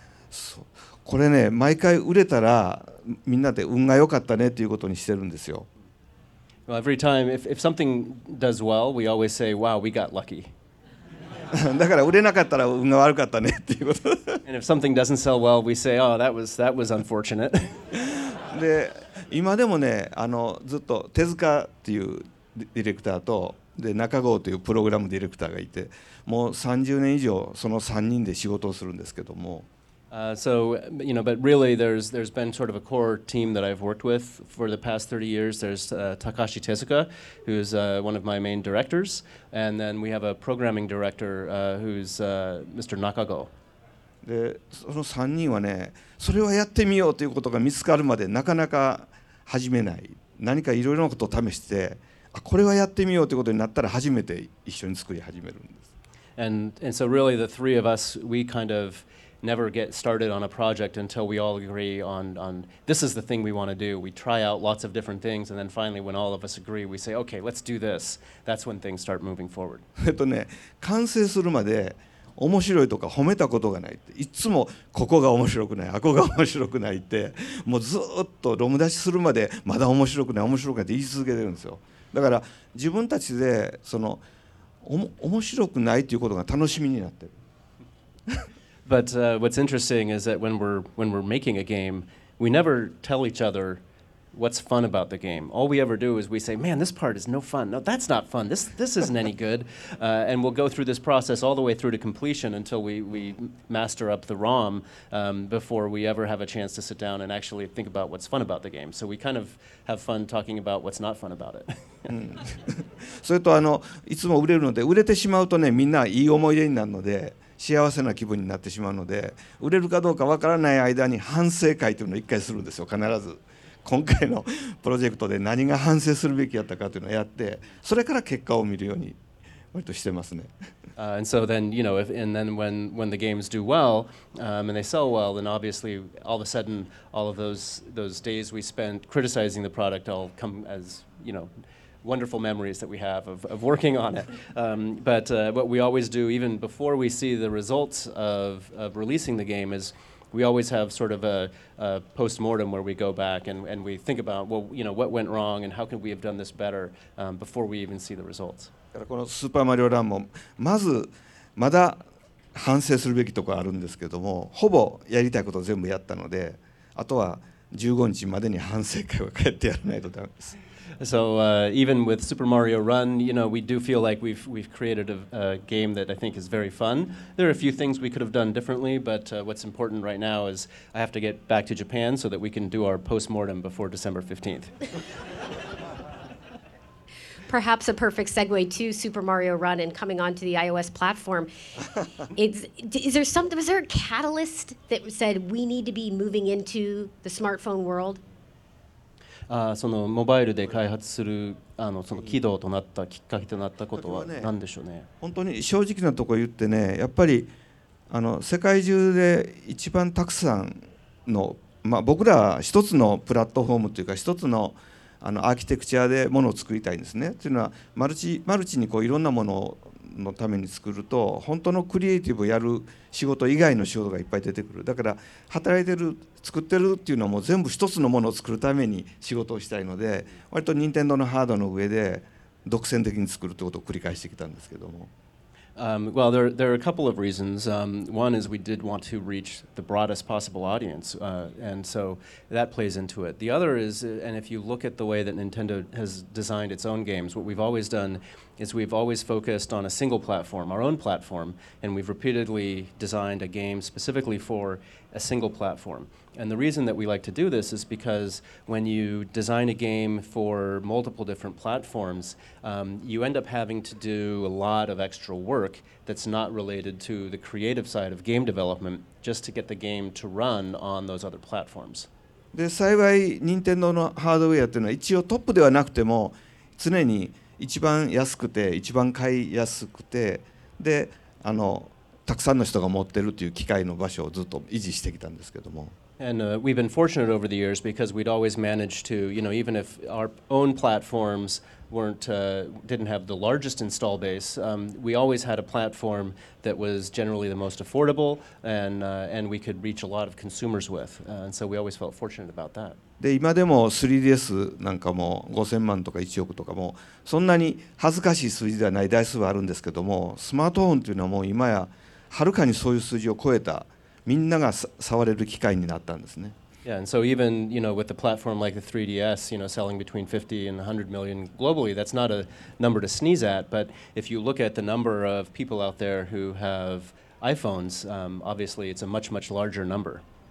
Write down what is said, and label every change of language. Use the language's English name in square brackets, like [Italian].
[Japanese] そう、これね、毎回売れたらみんなで運が良かったねっていうことにしてるんですよ。 [English] Well, every time if something does well, we always say, "Wow, we got lucky." [Japanese] だから売れなかったら運が悪かったねっていうこと。 [English] And if something doesn't sell well, we say, "Oh, that was unfortunate." [Japanese] で今でもね、ずっと手塚っていうディレクターとで中郷というプログラムディレクターがいて、もう30年以上その3人で仕事をするんですけども。 [English] So you know, but really there's been sort of a core team that I've worked with for the past 30 years. There's Takashi Tezuka, who's one of my main directors, and then we have a programming director who's Mr. Nakago. [Japanese] でその3人はね、それはやってみようということが見つかるまでなかなか始めない。何かいろいろなことを試して、あ、これはやってみようということになったら初めて一緒に作り始めるんです。 [English] and so really the three of us, we kind of never get started on a project until we all agree on this is the thing we want to do. We try out lots of different things, and then finally when all of us agree, we say, okay, let's do this. That's when things start moving forward. [Japanese] 完成するまで面白いとか褒めたことがないって、いつもここが面白くない、あこが面白くないって、もうずっとロム出しするまでまだ面白くない面白くないって言い続けてるんですよ。だから自分たちでその面白くないっていうことが楽しみになってる。 [English] But what's interesting is that when we're making a game, we never tell each other what's fun about the game. All we ever do is we say, man, this part is no fun. No, that's not fun. This isn't any good. And we'll go through this process all the way through to completion until we master up the ROM before we ever have a chance to sit down and actually think about what's fun about the game. So we kind of have fun talking about what's not fun about it. [Japanese] それと、いつも売れるので、売れてしまうとね、みんないい思い出になるので、幸せな気分になってしまうので、売れるかどうかわからない間に反省会というのを一回するんですよ、必ず。今回のプロジェクトで何が反省するべきだったかというのをやって、それから結果を見るように割としてますね。 [English] And so then, you know, when the games do well, and they sell well, then obviously all of a sudden all of those days we spent criticizing the product all come as, you know, wonderful memories that we have of working on it. But what we always do, even before we see the results of releasing the game, is we always have sort of a post-mortem where we go back and we think about, well, you know, what went wrong and how could we have done this better before we even see the results. [Japanese] このスーパーマリオランもまずまだ反省するべきところあるんですけども、ほぼやりたいことを全部やったので、あとは15日までに反省会を帰ってやらないとダメです。 [English] So even with Super Mario Run, you know, we do feel like we've created a game that I think is very fun. There are a few things we could have done differently, but what's important right now is I have to get back to Japan so that we can do our postmortem before December 15th. Perhaps a perfect segue to Super Mario Run and coming onto the iOS platform. Was there a catalyst that said we need to be moving into the smartphone world? [Japanese] そのモバイルで開発するあのその起動となったきっかけとなったことは何でしょうね。本当に正直なところ言ってね、やっぱりあの世界中で一番たくさんの、まあ、僕ら一つのプラットフォームというか一つのあのアーキテクチャでものを作りたいんですね。というのはマルチにこういろんなもののために作ると本当のクリエイティブをやる仕事以外の仕事がいっぱい出てくる。だから働いてる作ってるっていうのはもう全部一つのものを作るために仕事をしたいので、割と任天堂のハードの上で独占的に作るということを繰り返してきたんですけども。 [English] Well, there are a couple of reasons. One is we did want to reach the broadest possible audience, and so that plays into it. The other is, and if you look at the way that Nintendo has designed its own games, what we've always done is we've always focused on a single platform, our own platform, and we've repeatedly designed a game specifically for a single platform. And the reason that we like to do this is because when you design a game for multiple different platforms, you end up having to do a lot of extra work that's not related to the creative side of game development just to get the game to run on those other platforms. [Japanese] で、幸い、任天堂のハードウェアというのは一応トップではなくても常に一番安くて一番買いやすくて、で、あの、たくさんの人が持ってるという機械の場所をずっと維持してきたんですけども。 [English] And we've been fortunate over the years because we'd always managed to, you know, even if our own platforms didn't have the largest install base, we always had a platform that was generally the most affordable and we could reach a lot of consumers with. And so we always felt fortunate about that. [Japanese] で、今でも 3DS なんかも5000万とか1億とかもそんなに恥ずかしい数字ではない台数はあるんですけども、スマートフォンというのはもう今やはるかにそういう数字を超えた。みんなが触れる機会になったんですね。 [English] Yeah, and so even, you know, with a platform like the 3DS, you know, selling between 50 and 100 million globally, that's not a number to sneeze at. But if you look at the number of people out there who have iPhones, obviously it's a much, much larger number.